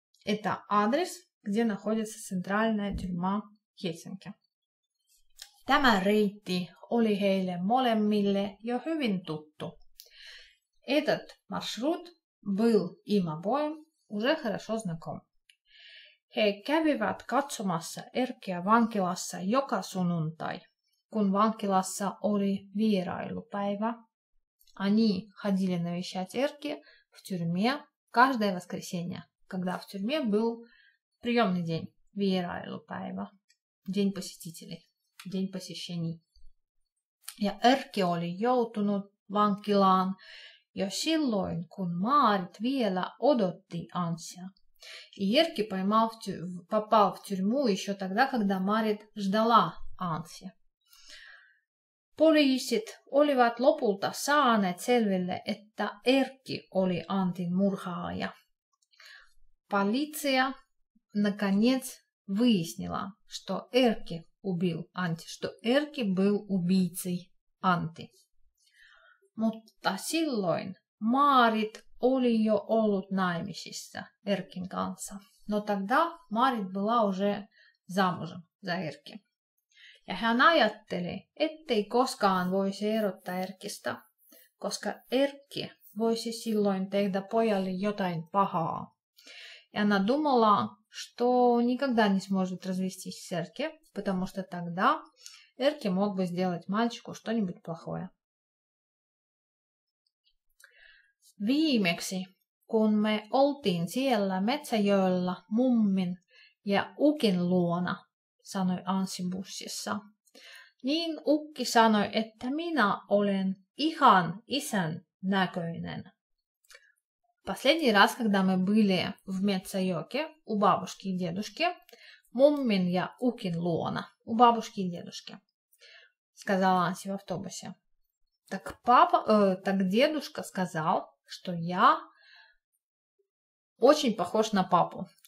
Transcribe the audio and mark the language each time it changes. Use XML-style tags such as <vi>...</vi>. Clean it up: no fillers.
<ru>Это адрес, где находится центральная тюрьма Хельсинки.</ru> <fi>Tämä reitti oli heille molemmille jo hyvin tuttu.</fi> <ru>Этот маршрут был им обоим уже хорошо знаком.</ru> <fi>He kävivät katsomassa Erkkiä vankilassa joka sunnuntai, kun vankilassa oli vierailupäivä.</fi> <ru>Они ходили навещать Эрки в тюрьме каждое воскресенье, когда в тюрьме был приемный день,</ru> <fi>vierailupäivä,</fi> <ru>день посетителей, день посещений.</ru> <fi>Ja Erkki oli joutunut vankilaan jo silloin, kun Maarit vielä odotti Anssia.</fi> <ru>И Ерки попал в тюрьму еще тогда, когда Марит ждала Анси.</ru> <fi>Poliisit olivat lopulta saaneet selville, että Erkki oli Antin murhaaja.</fi> <ru>Полиция наконец выяснила, что Эрки убил Анти, что Эрки был убийцей Анти.</ru> <fi>Mutta silloin Marit oli jo ollut naimisissa Erkin kanssa.</fi> <ru>Но тогда Marit была уже замужем за Erkki.</ru> <fi>Ja hän ajatteli, ettei koskaan voisi erottaa Erkistä, koska Erkki voisi silloin tehdä pojalle jotain pahaa.</fi> <ru>Ja она думала, что никогда не сможет развестись с Erkki, потому что тогда Erkki мог бы сделать мальчику что-нибудь плохое.</ru> <fi>Viimeksi, kun me oltiin siellä metsäjoella mummin ja ukin luona, sanoi Anssi bussissa, niin ukki sanoi, että minä olen ihan isän näköinen.</fi> <ru>Последний раз, когда мы были в Метсайоке у бабушки и дедушки,</ru> <fi>муммин я укин луона,</fi> <ru>у бабушки и дедушки, сказала Анси в автобусе. Так папа, так дедушка сказал, что я очень похож на папу.</ru>